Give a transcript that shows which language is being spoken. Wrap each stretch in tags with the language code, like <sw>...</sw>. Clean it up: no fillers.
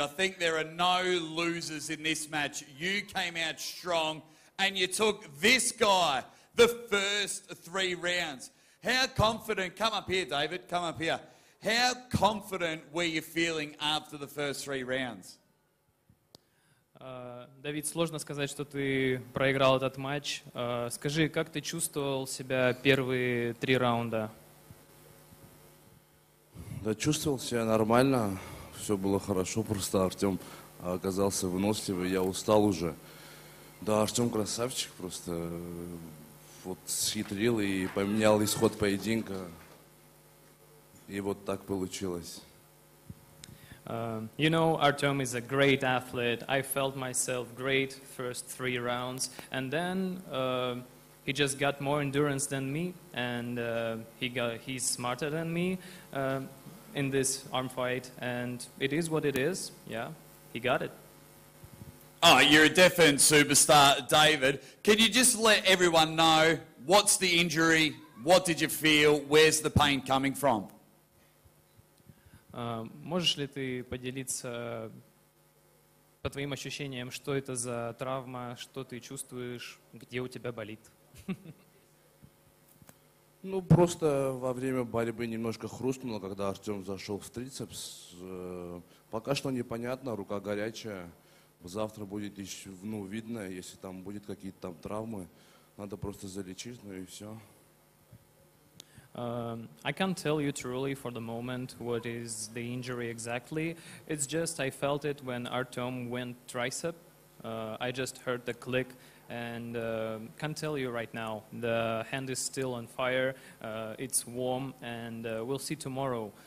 <en>I think there are no losers in this match. You came out strong, and you took this guy the first three rounds. How confident? Come up here, David. Come up here. How confident were you feeling after the first three rounds?</en> <ru>Давид, сложно сказать, что ты проиграл этот матч. Скажи, как ты чувствовал себя первые три раунда? Да, чувствовал себя нормально. Все было хорошо, просто Артем оказался выносливый, я устал уже. Да, Артем красавчик, просто вот схитрил и поменял исход поединка. И вот так получилось.</ru> <en>You know, Artem is a great athlete. I felt myself great first three rounds. And then he just got more endurance than me. And he's smarter than me in this arm fight. And it is what it is. Yeah, he got it. Oh, you're a defense superstar, David. Can you just let everyone know what's the injury? What did you feel? Where's the pain coming from?</en> <ru>Можешь ли ты поделиться по твоим ощущениям, что это за травма, что ты чувствуешь, где у тебя болит? Ну, просто во время борьбы немножко хрустнуло, когда Артем зашел в трицепс. Пока что непонятно, рука горячая. Завтра будет еще, ну, видно, если там будет какие-то там травмы. Надо просто залечить, ну и все.</ru> <en>I can't tell you truly for the moment what is the injury exactly. It's just I felt it when Artem went tricep. I just heard the click and can't tell you right now. The hand is still on fire. It's warm and we'll see tomorrow.</en>